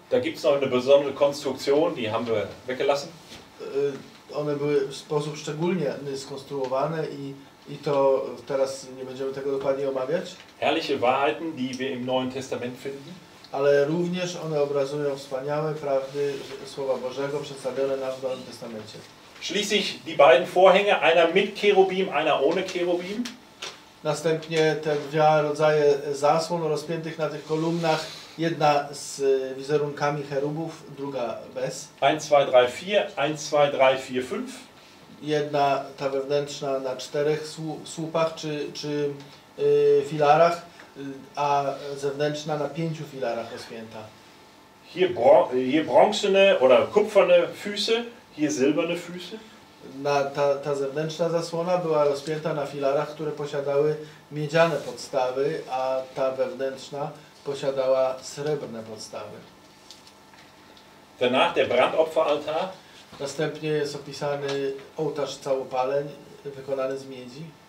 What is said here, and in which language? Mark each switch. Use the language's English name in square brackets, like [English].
[German] Da gibt's noch eine besondere Konstruktion, die haben wir weggelassen. [Polish] One były w sposób szczególnie skonstruowane i to teraz nie będziemy tego dokładnie omawiać. [German] Herrliche Wahrheiten, die wir im Neuen Testament finden. [Polish] Ale również one obrazują wspaniałe prawdy Słowa Bożego przedstawione nam w Nowym Testamencie. [German] Schließlich die beiden Vorhänge, einer mit Cherubim, einer ohne Cherubim. [Polish] Następnie te dwa rodzaje zasłon rozpiętych na tych kolumnach, jedna z wizerunkami cherubów, druga bez. [German] 1, 2, 3, 4, 1, 2, 3, 4, 5. [Polish] Jedna ta wewnętrzna na czterech słupach czy filarach, a zewnętrzna na pięciu filarach rozpięta. [German] Hier bronzene oder kupferne Füße. Hier silberne Füße. [Polish] Ta zewnętrzna zasłona była rozpięta na filarach, które posiadały miedziane podstawy, a ta wewnętrzna posiadała srebrne podstawy. [German] Danach der Brandopferaltar. [Polish] Następnie jest opisany ołtarz całopaleń wykonany z miedzi.